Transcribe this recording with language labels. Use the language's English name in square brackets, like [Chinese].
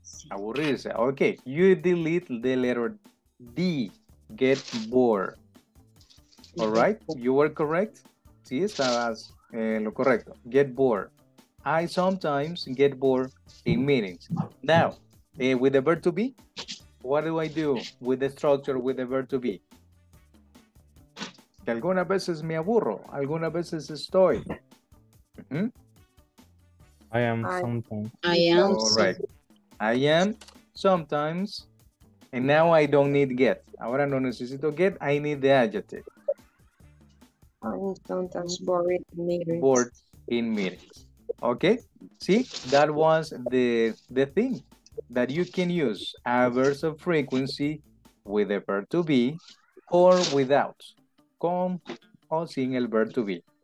[English] Aburrirse. Okay, you delete the letter D, get bored. All right, you were correct. [Spanish] Sí, estabas lo correcto. [English] Get bored. I sometimes get bored in meetings. Now, with the verb to be, what do I do with the structure with the verb to be? [Spanish] Que algunas veces me aburro, algunas veces estoy. Mm-hmm. [English] I am sometimes. I am. All right. I am sometimes, and now I don't need get. [Spanish] Ahora no necesito get, [English] I need the adjective. Sometimes bored in meetings. Okay, see, that was the thing that you can use adverbs of frequency with the verb to be or without, [Spanish] con o sin el [English] verb to be.